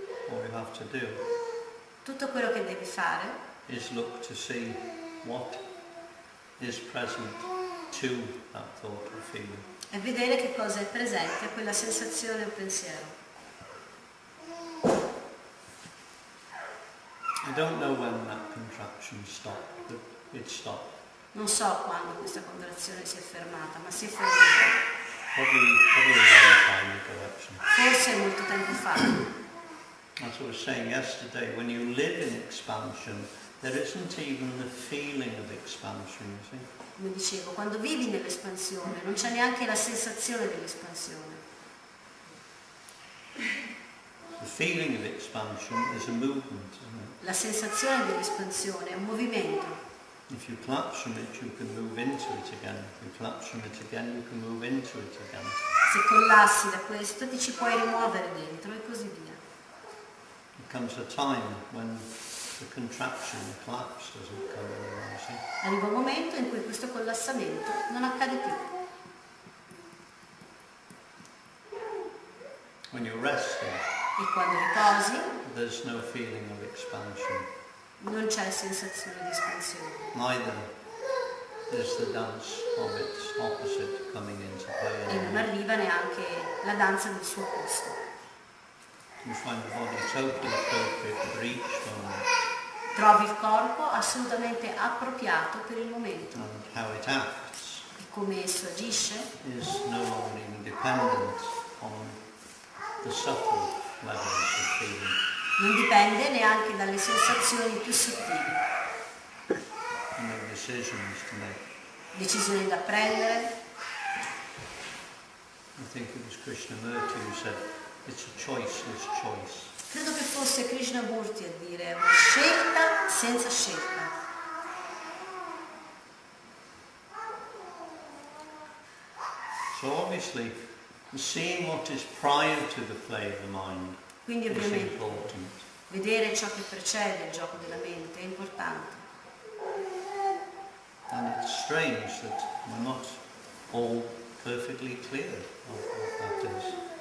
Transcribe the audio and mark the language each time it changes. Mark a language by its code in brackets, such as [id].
[en] All you have to do. [it] Tutto quello che devi fare. [en] Is look to see what is present to that thought or feeling. [it] E vedere che cosa è presente a quella sensazione o pensiero. [en] I don't know when that contraction stopped, but it stopped. [it] Non so quando questa contrazione si è fermata, ma si è fermata. Forse molto tempo fa. [en] As I was saying yesterday, when you live in expansion, there isn't even the feeling of expansion, you see? [it] Come dicevo, quando vivi nell'espansione, non c'è neanche la sensazione dell'espansione. [en] The feeling of expansion is a movement, isn't it? [it] La sensazione dell'espansione è un movimento. [en] If you collapse from it, you can move into it again. If you collapse from it again, you can move into it again. [it] Se collassi da questo, ti ci puoi rimuovere dentro e così via. [en] There comes a time when the contraction, the collapse, doesn't come arise. [it] Arriva un momento in cui questo collassamento non accade più. [en] When you're resting, [it] e quando riposi, [en] there's no feeling of expansion. [it] Non c'è sensazione di espansione. [en] Neither is the dance of its opposite coming into play. [it] E non arriva neanche la danza del suo opposto. [en] You find the body totally appropriate for each moment. [it] Trovi il corpo assolutamente appropriato per il momento. [en] And how it acts. [it] E come esso agisce. [en] Is no longer dependent on the subtle levels of feeling. [it] Non dipende neanche dalle sensazioni più sottili. [en] No decisions to make. [it] Decisioni da prendere. [en] I think it was Krishnamurti who said, it's a choiceless choice. [it] Credo che fosse Krishnamurti a dire una scelta senza scelta. [en] So obviously, seeing what is prior to the play of the mind. [it] Quindi ovviamente vedere ciò che precede il gioco della mente è importante. [en] And it's strange that we're not all perfectly clear of what that is.